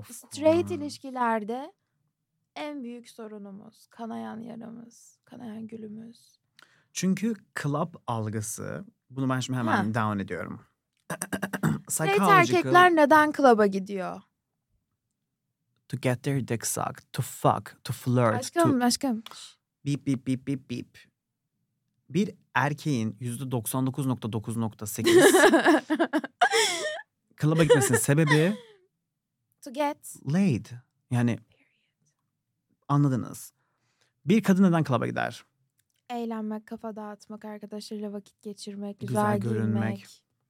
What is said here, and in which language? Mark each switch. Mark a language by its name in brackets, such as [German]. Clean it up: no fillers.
[Turkish] Aşkım straight ilişkilerde en büyük sorunumuz, kanayan yaramız, kanayan gülümüz. Çünkü club algısı, bunu ben şimdi hemen down ediyorum. Straight erkekler neden klaba gidiyor? [English] To get their dick sucked, to fuck, to flirt. [Turkish] Aşkım, [English] to... [Turkish] aşkım. Beep, beep, beep, beep, beep. Bir erkeğin %99.9.8 klaba gitmesinin sebebi... [English] To get... Laid. [Turkish] Yani anladınız. Bir kadın neden klaba gider? Eğlenmek, kafa dağıtmak, arkadaşlarıyla vakit geçirmek, güzel görünmek.